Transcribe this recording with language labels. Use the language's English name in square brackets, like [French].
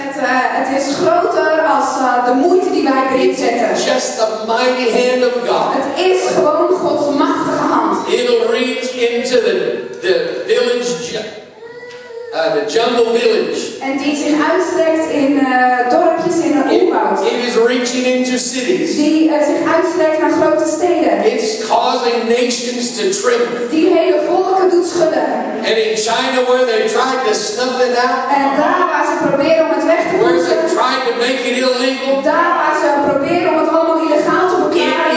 [Dutch] Het is groter als de moeite die wij erin zetten. [English] Just the mighty hand of God. [Dutch] Het is gewoon Gods machtige hand. [English] It'll reach into the village, the jungle village. [Dutch] En die zich uitstrekt in dorpjes in de omgeving. [English] It is reaching into cities. [Dutch] Die zich uitstrekt naar grote steden. [English] It's causing nations to tremble. [Dutch] Die hele volken doet schudden. [English] And in China where they tried to snuff it out. [Dutch] En daar waar ze proberen om het weg te voeren. [English] Where they tried to make it illegal. [Dutch] Daar waar ze proberen om het allemaal illegaal te verklaren.